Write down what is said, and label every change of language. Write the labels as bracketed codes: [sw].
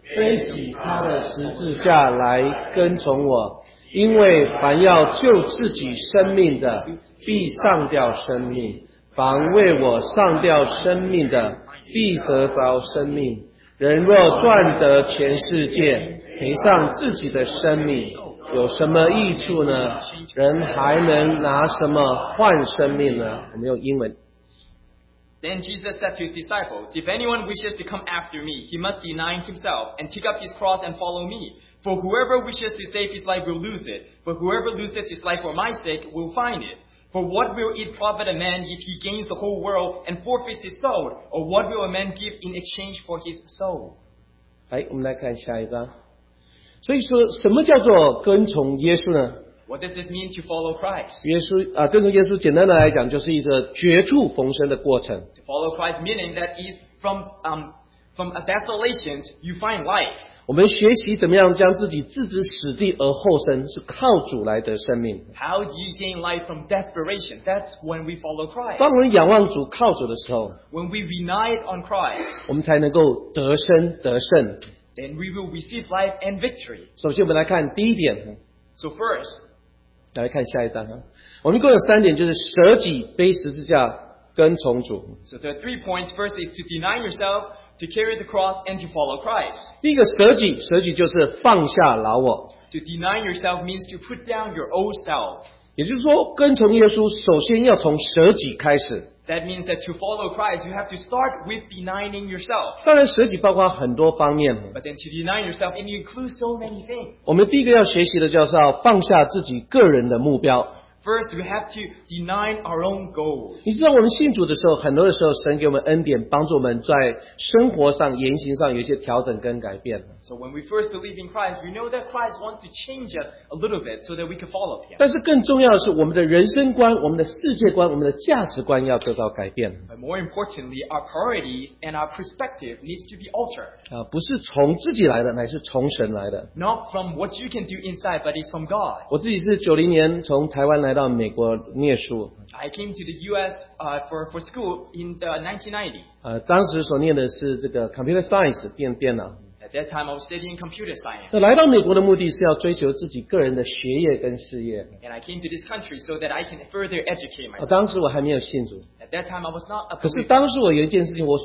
[zh] 背起他的十字架来跟从我，因为凡要救自己生命的，必丧掉生命；凡为我丧掉生命的，必得着生命。人若赚得全世界，赔上自己的生命，有什么益处呢？人还能拿什么换生命呢？我们用英文。 [en] Then Jesus said to his disciples, If anyone wishes to come after me, he must deny himself and take up his cross and follow me. For whoever wishes to save his life will lose it, but whoever loses his life for my sake will find it. For what will it profit a man if he gains the whole world and forfeits his soul? Or what will a man give in exchange for his soul? [zh] 来，我们来看下一章。所以说，什么叫做跟从耶稣呢？ [en] What does it mean to follow Christ? [zh] 耶稣跟随耶稣简单的来讲就是一个绝处逢生的过程。 [en] To follow Christ meaning that is from a desolation you find life. [zh] 我们学习怎么样将自己置之死地而后生，是靠主来得生命。 [en] How do you gain life from desperation? That's when we follow Christ. [zh] 当我们仰望主靠主的时候 [en] ，When we rely on Christ, [zh] 我们才能够得生得胜。 [en] Then we will receive life and victory. [zh] 首先我们来看第一点。 [en] So first. [zh] 来看下一章，我们一共有三点，就是舍己、背十字架、跟从主。 [en] So there are three points. First is to deny yourself, to carry the cross, and to follow Christ. [zh] 第一个舍己，舍己就是放下老我。 [en] To deny yourself means to put down your old self. [zh] 也就是说，跟从耶稣首先要从舍己开始。 [en] That means that to follow Christ, you have to start with denying yourself. [zh] 当然，舍己包括很多方面。 [en] But then to deny yourself, it includes so many things. [zh] 我们第一个要学习的就是要放下自己个人的目标。 [en] First, we have to deny our own goals. [zh] 你知道我们信主的时候，很多的时候神给我们恩典，帮助我们在生活上、言行上有一些调整跟改变。 [en] So when we first believe in Christ, we know that Christ wants to change us a little bit so that we can follow Him. [zh] 但是更重要的是，我们的人生观、我们的世界观、我们的价值观要得到改变。 [en] But more importantly, our priorities and our perspective needs to be altered. [zh] 不是从自己来的，乃是从神来的。 [en] Not from what you can do inside, but it's from God. [zh] 我自己是90年从台湾来到美国念书。 [en] I came to the US for school in the 1990. [zh] 当时所念的是这个 computer science, 电脑。 [en] At that time, I was studying computer science. [zh] 那来到美国的目的是要追求自己个人的学业跟事业。 [en] And I came to this country so that I can further educate myself. [zh] 当时我还没有信主。 [en] At that time, I was not a believer.